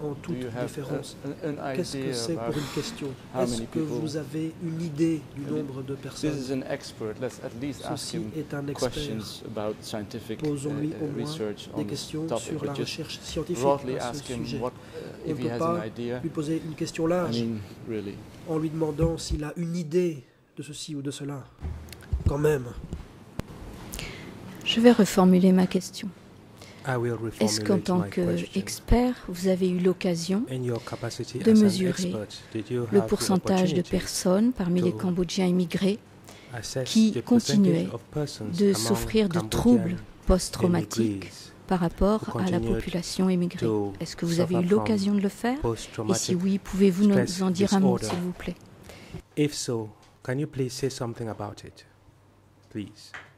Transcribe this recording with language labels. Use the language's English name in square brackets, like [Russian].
[English] Do you have an idea about how many people? [French] Est-ce que vous avez une idée du nombre de personnes? [English] This is an expert. Let's at least ask him questions about scientific research on this topic. Just broadly ask him what, if he has an idea. [French] Lui poser une question large, en lui demandant s'il a une idée de ceci ou de cela, quand même. Je vais reformuler ma question. Est-ce qu'en tant qu'expert, vous avez eu l'occasion de mesurer le pourcentage de personnes parmi les Cambodgiens immigrés qui continuaient de souffrir de troubles post-traumatiques par rapport à la population immigrée? Est-ce que vous avez eu l'occasion de le faire? Et si oui, pouvez-vous nous en dire un mot, s'il vous plaît? [English] If so, can you please say something about it, please?